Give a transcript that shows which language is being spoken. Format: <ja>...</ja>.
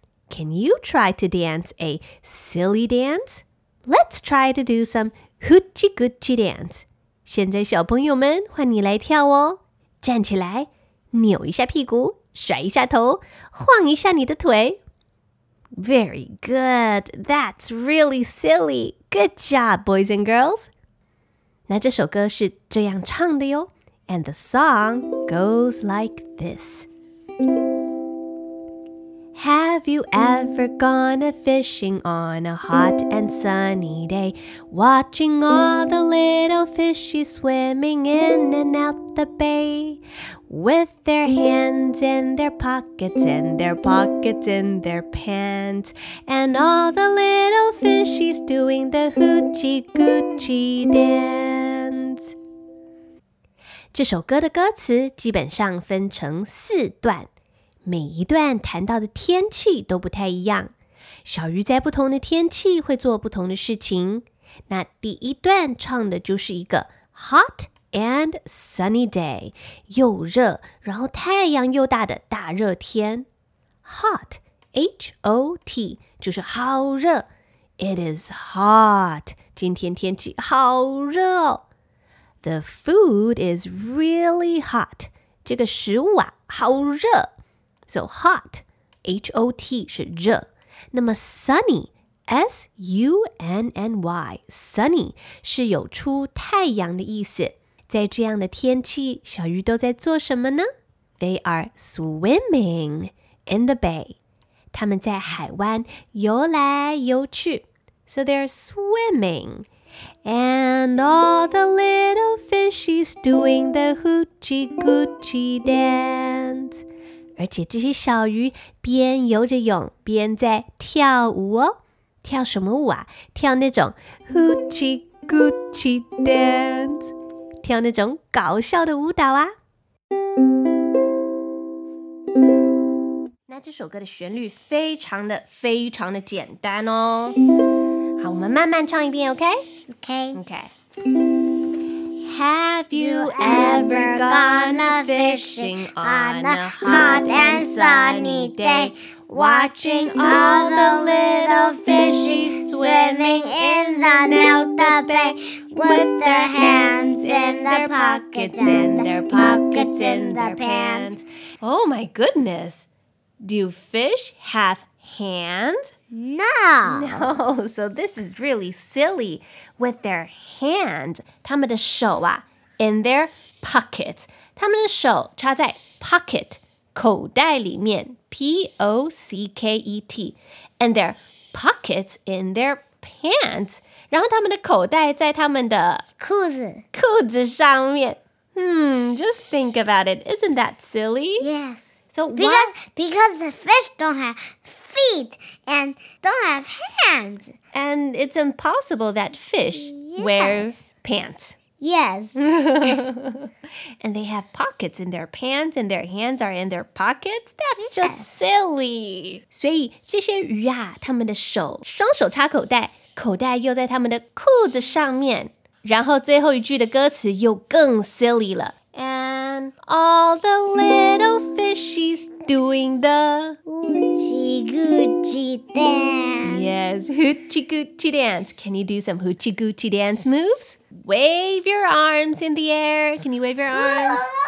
<en>Can you try to dance a silly dance? Let's try to do some hoochie-goochie dance.</en> <zh>现在小朋友们，换你来跳哦。站起来，扭一下屁股。甩一下头，晃一下你的腿。</zh> <en>Very good. That's really silly. Good job, boys and girls.</en> <zh>那这首歌是这样唱的哟。</zh> <en>And the song goes like this. Have you ever gone a fishing on a hot and sunny day? Watching all the little fishies swimming in and out the bay? With their hands in their pockets, and their pockets in their pants. And all the little fishies doing the hoochie-goochie dance.</en> <zh>这首歌的歌词基本上分成四段，每一段谈到的天气都不太一样。小鱼在不同的天气会做不同的事情。那第一段唱的就是一个</zh> <en>hot and sunny day,</en> <zh>又热然后太阳又大的大热天。 Hot, H-O-T, 就是好热。</zh> <en>It is hot,</en> <zh>今天天气好热哦。</zh> <en>The food is really hot,</en> <zh>这个食物啊好热。 So hot, H-O-T 是热。那么 sunny,S-U-N-N-Y, sunny 是有出太阳的意思。在这样的天气，小鱼都在做什么呢？</zh> <en>They are swimming in the bay.</en> <zh>他们在海湾游来游去。</zh> <en>So they're swimming. And all the little fishies doing the hoochie-goochie dance.</en> <zh>而且这些小鱼边游着泳，边在跳舞哦。跳什么舞啊？跳那种 hoochie-goochie dance. 跳那种搞笑的舞蹈啊。那这首歌的旋律非常的非常的简单哦。好，我们慢慢唱一遍 ,OK?</zh> <en>OK. OK. Have you ever gone fishing on a hot and sunny day? Watching all the little fishies swimming in the Delta Bay. With their hands in their pockets, in their pockets, in their pants. Oh my goodness. Do fish have hands? No. No, so this is really silly. With their hands,</en> <zh>他们的手啊,</zh> <en>in their pockets.</en> <zh>他们的手插在 pocket, 口袋里面, P-O-C-K-E-T.</zh> <en>And their pockets in their pants.</en> <zh>然后他们的口袋在他们的裤子上面。</zh> <en>Just think about it. Isn't that silly? Yes. So because the fish don't have feet and don't have hands. And it's impossible that fish wear pants. Yes. And they have pockets in their pants and their hands are in their pockets. That's just silly.</en> <zh>所以这些鱼啊，他们的手双手插口袋。口袋又在他们的裤子上面，然后最后一句的歌词又更 silly 了。</zh> <en>And all the little fishies doing the hoochie-goochie dance. Yes, hoochie-goochie dance. Can you do some hoochie-goochie dance moves? Wave your arms in the air. Can you wave your arms?</en>